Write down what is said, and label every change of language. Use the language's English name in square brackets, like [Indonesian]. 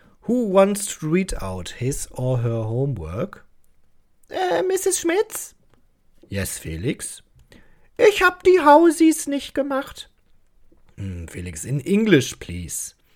[English] Who wants to read out his or her homework? Mrs. Schmitz? Yes, Felix? [German] Ich hab die Hausies nicht gemacht. [English] Felix, in English, please.